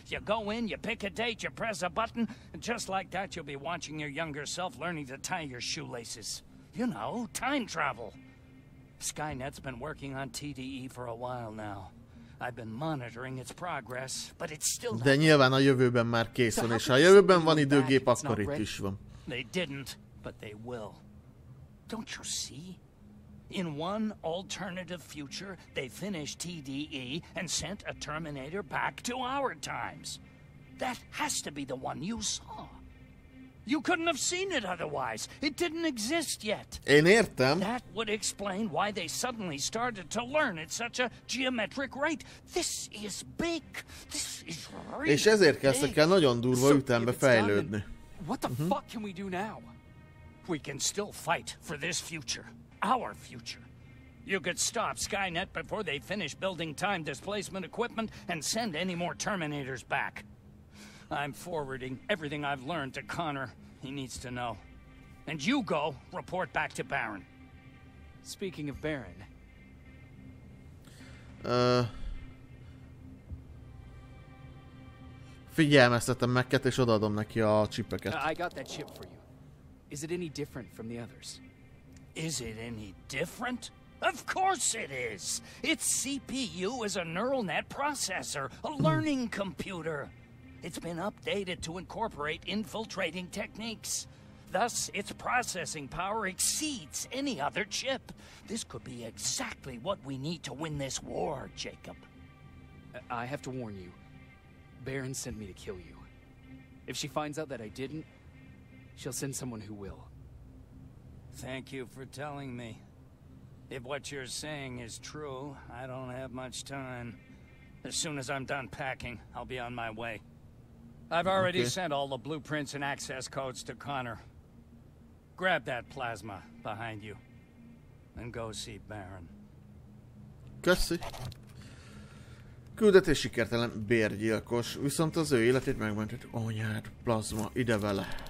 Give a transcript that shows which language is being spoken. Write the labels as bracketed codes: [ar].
[en] You go in, you pick a date, you press a button, and just like that you'll be watching your younger self learning to tie your shoelaces. You know, time travel. Skynet's been working on TDE for a while now. I've been monitoring its progress, but it's still not... [hu] De nyilván a jövőben már kész van, és ha a jövőben van időgép, akkor itt is van. [en] They didn't, but they will. Don't you see? In one alternative future, they finished TDE and sent a Terminator back to our times. That has to be the one you saw. You couldn't have seen it otherwise. It didn't exist yet. [hu] Én értem. [en] That would explain why they suddenly started to learn at such a geometric rate. This is big. This is really [hu] és ezért kezdtek el nagyon durva ütembe fejlődni. [en] What the fuck can we do now? We can still fight for this future. Our future. You could stop Skynet before they finish building time displacement equipment and send any more Terminators back. I'm forwarding everything I've learned to Connor. He needs to know. And you go report back to Baron. Speaking of Baron. [hu] Figyelmeztetem Mac-et és odaadom neki a csipeket. [en] I got that chip for you. Is it any different from the others? Is it any different? Of course it is. Its CPU is a neural net processor, a learning computer. It's been updated to incorporate infiltrating techniques. Thus, its processing power exceeds any other chip. This could be exactly what we need to win this war, Jacob. I have to warn you. Baron sent me to kill you. If she finds out that I didn't, she'll send someone who will. Thank you for telling me. If what you're saying is true, I don't have much time. As soon as I'm done packing, I'll be on my way. I've already sent all the blueprints and access codes to Connor. Grab that plasma behind you and go see Baron. [hu] Köszi. Küldetés sikertelen, bérgyilkos, viszont az ő életét megmentett anyád, plazma, ide vele.